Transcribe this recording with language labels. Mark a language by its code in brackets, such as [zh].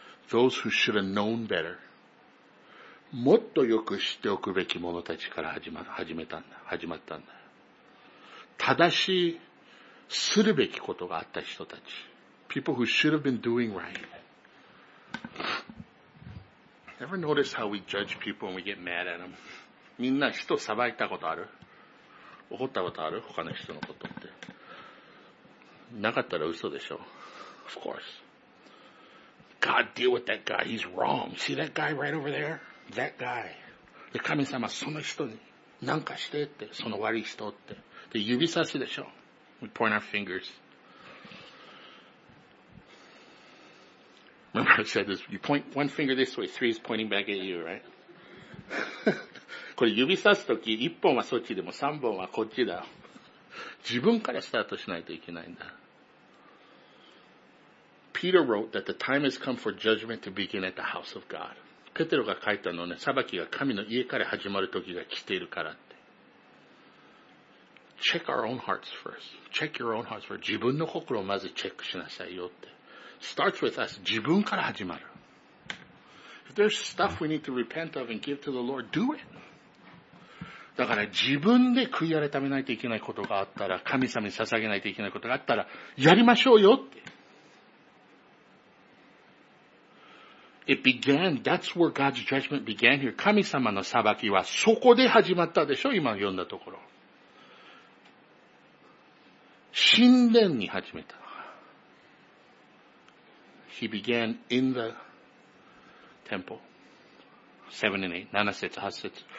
[en] Those who should have known better. [ja] もっとよく知っておくべきものたちから始まったんだ。正しいするべきことがあった人たち。 [en] People who should have been doing right. Ever notice how we judge people and we get mad at them? [ja] みんな人を裁いたことある？怒ったことある？他の人のことって。なかったら嘘でしょ。 [en] Of course. God, deal with that guy. He's wrong. See that guy right over there? That guy. [ja] で、神様、その人に何かしてって、その悪い人って。で、指さすでしょ。 [en] We point our fingers. Remember I said this, you point one finger this way, three is pointing back at you, right? [ja] これ指さすとき、一本はそっちでも三本はこっちだ。自分からスタートしないといけないんだ。 [en] Peter wrote that the time has come for judgment to begin at the house of God. [ja] ペテロが書いたのね、裁きが神の家から始まる時が来ているからって。 [en] Check our own hearts first. Check your own hearts first. [ja] 自分の心をまずチェックしなさいよって。 [en] Starts with us, [ja] 自分から始まる。 [en] If there's stuff we need to repent of and give to the Lord, do it. [ja] だから自分で悔い改めないといけないことがあったら、神様に捧げないといけないことがあったら、やりましょうよって。 [en] It began, that's where God's judgment began here. [ja] 神様の裁きはそこで始まったでしょ、今読んだところ。神殿に始めた。 [en] He began in the temple. 7 and 8, 7 節、8節。